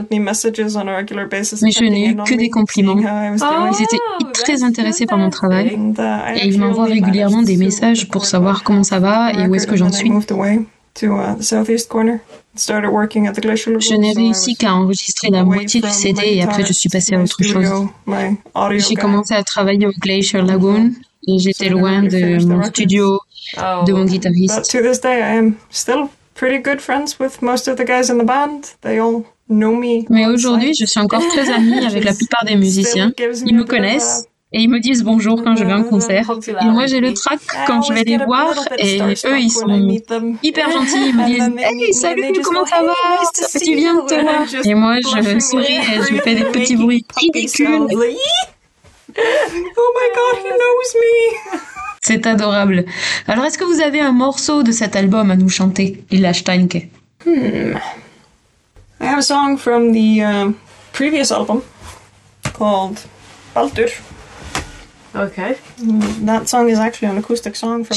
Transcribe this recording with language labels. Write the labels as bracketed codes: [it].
[fr] Mais je n'ai eu que des compliments. Ils étaient très intéressés par mon travail et ils m'envoient régulièrement des messages pour savoir comment ça va et où est-ce que j'en suis. Je n'ai réussi qu'à enregistrer la moitié du CD et après je suis passée à autre chose. J'ai commencé à travailler au Glacier Lagoon et j'étais loin de mon studio, de mon guitariste. [en] But to this day, I am still pretty good friends with most of the guys in the band. They all know me. [fr] Mais aujourd'hui, je suis encore très amie avec la plupart des musiciens. Ils me connaissent. Et ils me disent bonjour quand je vais en concert. Et moi, j'ai le trac quand je vais les voir. Et eux, ils sont hyper gentils. Ils me disent « Hey, salut, comment ça va ? Tu viens de te voir ?» Et moi, je souris et je fais des petits bruits ridicules. [en] Oh my God, he knows me ! [fr] C'est adorable. Alors, est-ce que vous avez un morceau de cet album à nous chanter, Lila Steinke ? [en] I have a song from the previous album called Baldur. Okay. That song is actually an acoustic song from